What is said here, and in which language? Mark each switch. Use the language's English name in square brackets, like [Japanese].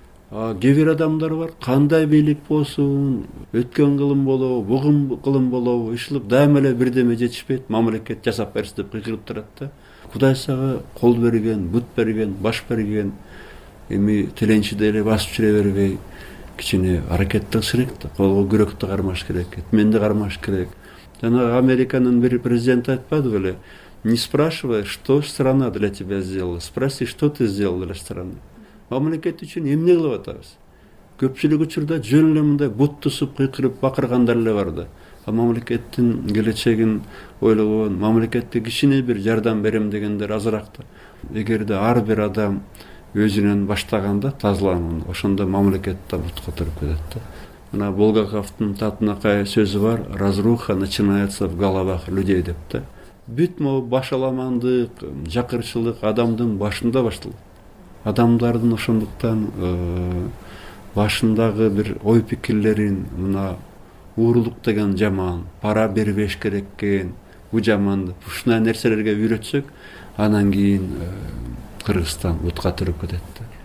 [Kyrgyz] Кээ бир адамдар бар, кандай бийлик болсун, өткөн кылым болобу, бүгүн кылым болобу, ишилип дайыма эле бирдеме жетишпейт, мамлекет жасап берсин деп кыйкырып турат да. Кудай сага кол берген, бут берген, баш берген, эми тиленчи деле басып жүрө бербей, кичине аракеттик керек да, колго күрөктү кармаш керек, этменди кармаш керек. Жанагы Американын бир президенти айтпадыбы эле: [Russian] не спрашивай, что страна для тебя сделала, спроси, что ты сделал для страны. [Kyrgyz] Мамлекет үчүн эмне кылып атабыз? Көпчүлүк учурда жөн эле мындай буттусуп кыйкырып бакыргандар эле бар да. А мамлекеттин келечегин ойлогон, мамлекетке кичине бир жардам берем дегендер азыраак да. Эгерде ар бир адам өзүнөн баштаганда тазалануу, ошондо мамлекет да бут которуп кетет да. Мына Булгаковдун татынакай сөзү бар: [Russian] разруха начинается в головах людей [Kyrgyz] деп да. Бүт могу башаламандык, жакырчылык адамдын башында башталат. Адамдардын ошондуктан башындагы бир ой пикирлерин, мына уурулук деген жаман, пара бербеш керек экен, ужаманды ушундай нерселерге үйрөтсөк, анан кийин Кыргызстан утка түрүп кетет.